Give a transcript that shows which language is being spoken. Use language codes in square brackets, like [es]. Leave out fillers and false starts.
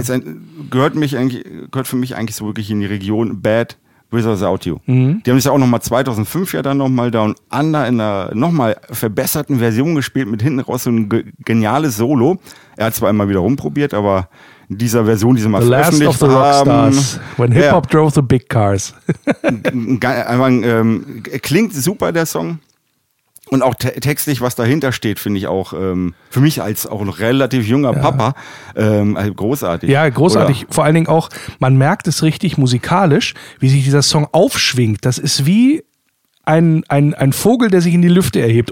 [de] Gehört für mich eigentlich so wirklich in die Region Bad. Wizards Out You. Mhm. Die haben es ja auch nochmal 2005 ja dann nochmal Down Under in einer nochmal verbesserten Version gespielt mit hinten raus so ein geniales Solo. Er hat zwar immer wieder rumprobiert, aber in dieser Version, die sie mal veröffentlicht haben. [en] The Last of the Rockstars, when Hip-Hop drove the big cars. [de] klingt super, der Song. Und auch textlich, was dahinter steht, finde ich auch für mich als auch ein relativ junger Papa großartig. Ja, großartig. Oder? Vor allen Dingen auch, man merkt es richtig musikalisch, wie sich dieser Song aufschwingt. Das ist wie ein Vogel, der sich in die Lüfte erhebt.